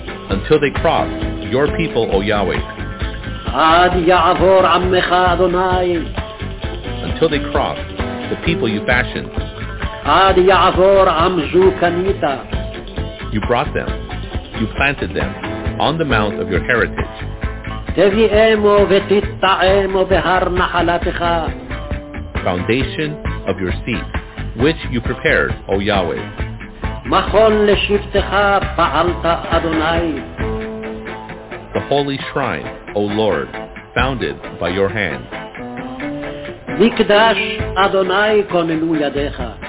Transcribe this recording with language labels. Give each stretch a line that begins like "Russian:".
English: Until they cross, your people, O Yahweh.
Hebrew: עד יעבור עמך אדוני.
English: Until they cross, the people you fashioned.
Hebrew: עד יעבור עם זו קנית.
English: You brought them, you planted them, on the mount of your heritage.
Hebrew: תביאמו ותתאמו בהר נחלתך.
English: Foundation of your seat, which you prepared, O Yahweh.
Hebrew: מכון לשבתך פעלת אדוני.
English: The holy shrine, O Lord, founded by your hand.
Hebrew: מקדש אדוני כוננו ידיך.